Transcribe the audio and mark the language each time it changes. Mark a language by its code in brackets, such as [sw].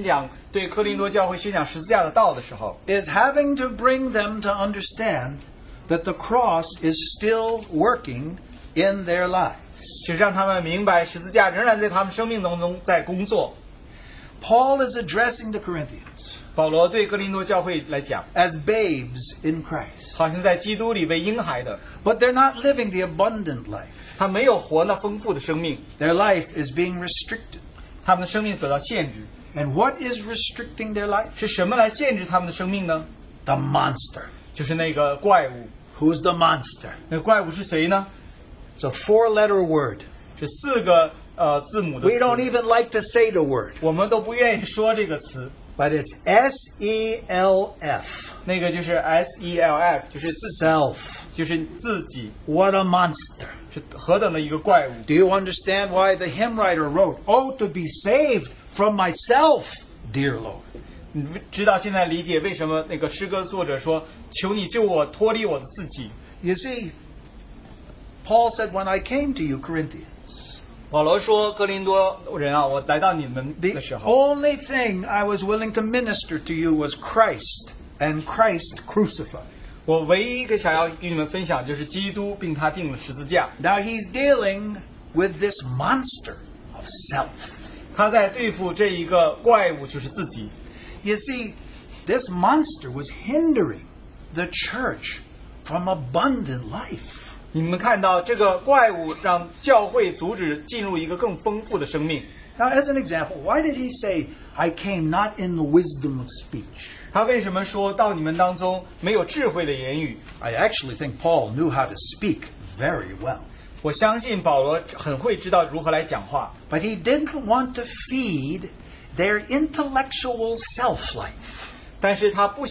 [zh] 然后当保罗宣讲对哥林多教会宣讲十字架的道的时候, [en] is having to bring them to understand that the cross is still working in their lives. Paul is addressing the Corinthians [zh] 保罗对哥林多教会来讲, [en] as babes in Christ. [zh] 好像在基督里被婴孩的, [en] but they're not living the abundant life. [zh] 他没有活那丰富的生命, [en] their life is being restricted. And what is restricting their life? [zh] 是什么来限制他们的生命呢? [en] The monster. [zh] 就是那个怪物。 [en] Who's the monster? [zh] 那怪物是谁呢? [en] It's a four-letter word. [zh] 是四个, 字母的词。 [en] We don't even like to say the word. [zh] 我们都不愿意说这个词。 [en] But it's S-E-L-F. [zh] 那个就是S-E-L-F, 就是自己, [en] Self. [zh] 就是自己。 [en] What a monster. [zh] 是何等的一个怪物。 [en] Do you understand why the hymn writer wrote, Oh, to be saved from myself, dear Lord. [zh] 你知道现在理解为什么那个诗歌作者说, 求你救我脱离我的自己。 [en] You see, Paul said, when I came to you, Corinthians, [zh] 保罗说,哥林多人啊, [en] the only thing I was willing to minister to you was Christ and Christ crucified. Now he's dealing with this monster of self. You see, this monster was hindering the church from abundant life. [zh] 你们看到这个怪物让教会阻止进入一个更丰富的生命。 [en] Now as an example, why did he say, I came not in the wisdom of speech? [zh] 他为什么说到你们当中没有智慧的言语? [en] I actually think Paul knew how to speak very well. [zh] 我相信保罗很会知道如何来讲话。 [en] But he didn't want to feed their intellectual self-life.